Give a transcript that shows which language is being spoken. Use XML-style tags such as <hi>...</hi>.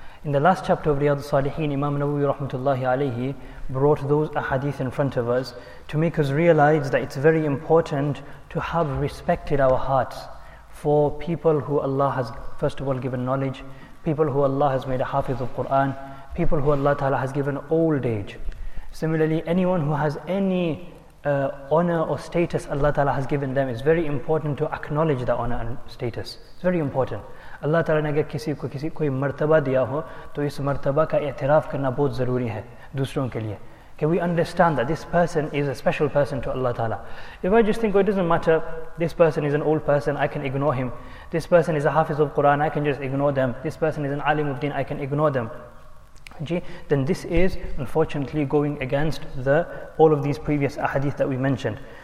<en>In the last chapter of Riyadh al-Salihin, Imam Nawawi rahmatullahi alayhi brought those ahadith in front of us to make us realize that it's very important to have respect in our hearts for people who Allah has first of all given knowledge, people who Allah has made a hafiz of Quran, people who Allah Ta'ala has given old age. Similarly, anyone who has any honor or status Allah Ta'ala has given them, it's very important to acknowledge that honor and status. It's very important.</en> <ur>اللہ تعالیٰ نے اگر کسی کو کوئی مرتبہ دیا ہو، تو اس مرتبہ کا اعتراف کرنا بہت ضروری ہے دوسروں کے لیے۔</ur> <en>Can we understand that this person is a special person to Allah Ta'ala? If I just think, oh, it doesn't matter, this person is an old person, I can ignore him. This person is a hafiz of Quran, I can just ignore them. This person is an alim of deen, I can ignore them. Then this is unfortunately going against all of these previous ahadith that we mentioned.</en>